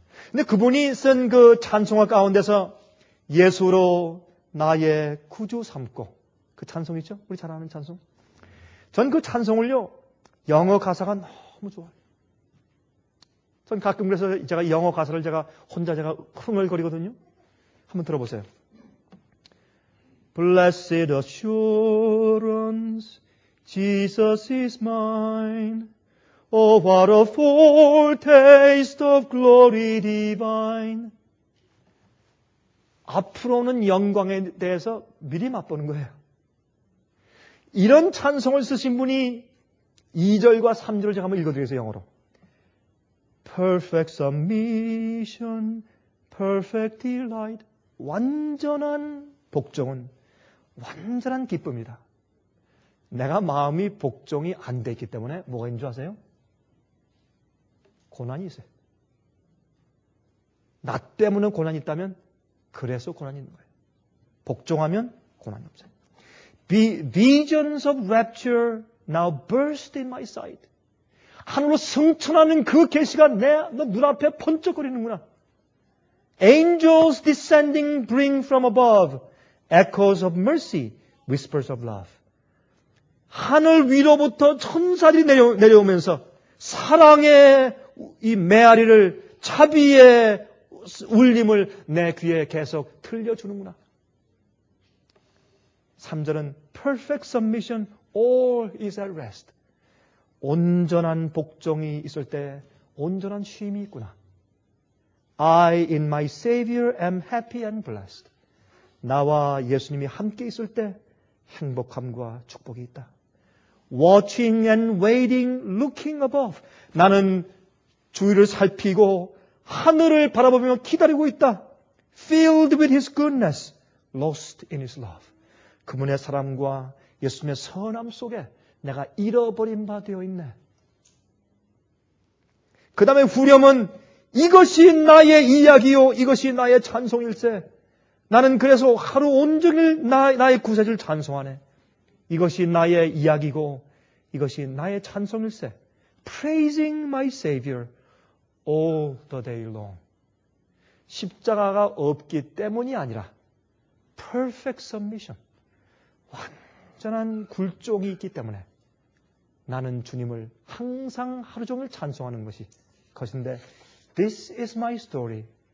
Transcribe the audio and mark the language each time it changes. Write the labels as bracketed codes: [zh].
[ko] 근데 그분이 쓴 그 찬송화 가운데서 예수로 나의 구주 삼고, 그 찬송 있죠? 우리 잘 아는 찬송. 전 그 찬송을요, 영어 가사가 너무 좋아요. 전 가끔 그래서 제가 영어 가사를 제가 혼자 제가 흥얼거리거든요. 한번 들어보세요. [en] Blessed assurance, Jesus is mine. Oh, what a foretaste of glory divine. [ko] 앞으로는 영광에 대해서 미리 맛보는 거예요. 이런 찬송을 쓰신 분이 2절과 3절을 제가 한번 읽어드리겠습니다, 영어로. [en] Perfect submission, perfect delight. [ko] 완전한 복종은 완전한 기쁨이다. 내가 마음이 복종이 안 돼 있기 때문에 뭐가 있는 줄 아세요? 고난이 있어요. 나 때문에 고난이 있다면 그래서 고난이 있는 거예요. 복종하면 고난이 없어요. [en] The visions of rapture now burst in my sight. [ko] 하늘로 승천하는 그 계시가 내 눈앞에 번쩍거리는구나. [en] Angels descending bring from above echoes of mercy, whispers of love. [ko] 하늘 위로부터 천사들이 내려오면서 사랑의 이 메아리를, 차비의 울림을 내 귀에 계속 들려주는구나. 3절은 [en] perfect submission, all is at rest. [ko] 온전한 복종이 있을 때 온전한 쉼이 있구나. [en] I in my Savior am happy and blessed. [ko] 나와 예수님이 함께 있을 때 행복함과 축복이 있다. [en] Watching and waiting, looking above. [ko] 나는 주위를 살피고 하늘을 바라보며 기다리고 있다. [en] Filled with His goodness, lost in His love. [ko] 그분의 사랑과 예수님의 선함 속에 내가 잃어버린 바 되어 있네. 그 다음에 후렴은 이것이 나의 이야기요, 이것이 나의 찬송일세. 나는 그래서 하루 온종일 나의 구세주를 찬송하네. 이것이 나의 이야기고 이것이 나의 찬송일세. [en] Praising my Savior all the day long. [ko] 십자가가 없기 때문이 아니라 [en] perfect submission. [ko] 완전한 굴종이 있기 때문에 나는 주님을 항상 하루 종일 찬송하는 것인데 [en] This is my story.